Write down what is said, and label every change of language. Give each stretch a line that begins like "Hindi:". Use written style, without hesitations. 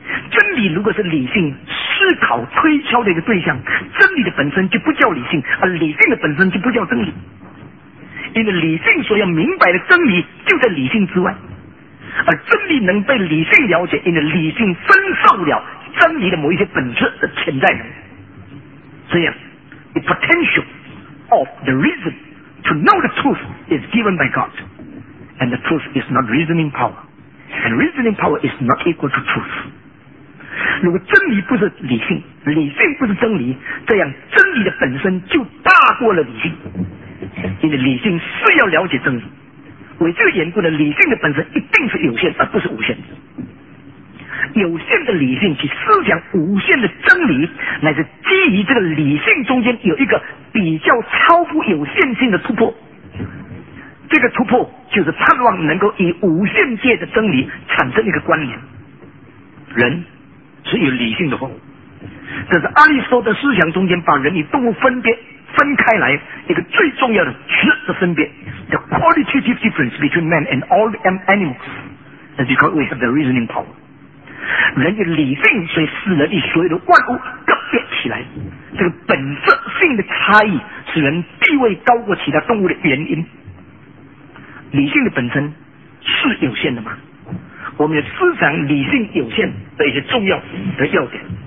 Chinese: 真理如果是理性思考推敲的一个对象，真理的本身就不叫理性，而理性的本身就不叫真理。因为理性所要明白的真理就在理性之外，而真理能被理性了解，因为理性分受了真理的某一些本质的潜在能。
English: 这样 the potential of the reason to know the truth is given by God, and the truth is not reasoning power, and reasoning power is not equal to truth.
Chinese: 如果真理不是理性，理性不是真理，这样真理的本身就大过了理性，因为理性是要了解真理。为这个缘故呢，理性的本身一定是有限而不是无限的。有限的理性去思想无限的真理，乃是基于这个理性中间有一个比较超乎有限性的突破。这个突破就是盼望能够与无限界的真理产生一个关联。人是有理性的动物，这是阿里斯托的思想中间把人与动物分别分开来一个最重要的质的分别。
English: The qualitative difference between man and all the animals is because we have the reasoning power。
Chinese: 人的理性所以使人与所有的万物个别起来，这个本质性的差异使人地位高过其他动物的原因。理性的本身是有限的吗？我们的思想理性有限的一些重要的要点。